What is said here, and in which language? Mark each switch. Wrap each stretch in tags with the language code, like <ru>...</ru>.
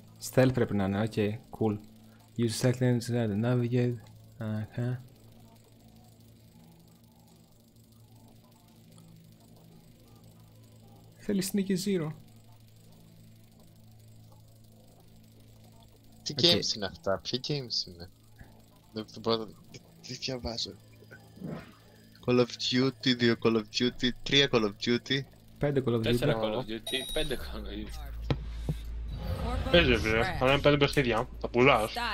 <en>Stealth</en> <el>πρέπει να είναι,</el> <en>ok, cool. Use stealth engine to navigate. Αχα.</en> <el>Θέλει sneaky zero. Τι games είναι αυτά, ποιοι games είναι. Δεν μπορώ να... τι διαβάζω. Call of Duty, 2 Call of Duty, 3 Call of Duty, 5 Call of Duty, 4 Call of Duty, 5 Call of Duty. Παίζει βρε, αλλά είναι 5 παιχνίδια, θα πουλάς.</el>